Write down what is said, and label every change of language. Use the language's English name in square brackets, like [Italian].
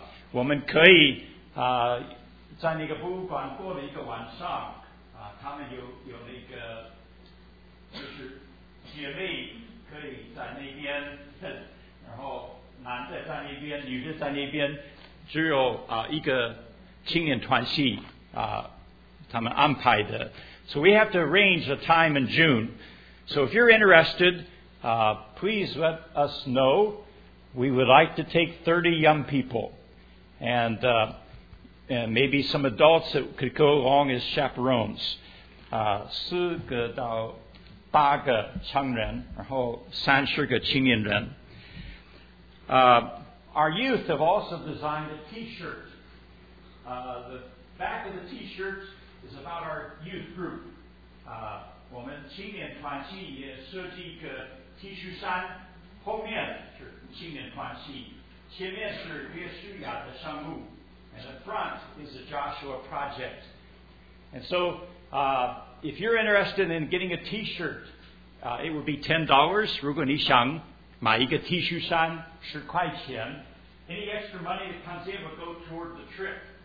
[Chinese] 我们可以在那个博物馆过了一个晚上，他们有那个就是姐妹可以在那边，然后男的在那边，女的在那边，只有一个青年团系他们安排的。 [English] So we have to arrange a time in June. So if you're interested, please let us know. We would like to take 30 young people. And maybe some adults that could go along as chaperones. [Chinese] 四个到八个成人，然后三十个青年人。 [English] Our youth have also designed a t-shirt. The back of the t-shirt is about our youth group. [Chinese] 我们青年团系也设计一个 T 恤衫，后面是青年团系，前面是约书亚的商务 ， [English] and the front is the Joshua Project. And so, if you're interested in getting a T-shirt, it would be $10. [Chinese] 如果你想买一个 T 恤衫，10块钱。 [English] Any extra money that comes in will go toward the trip.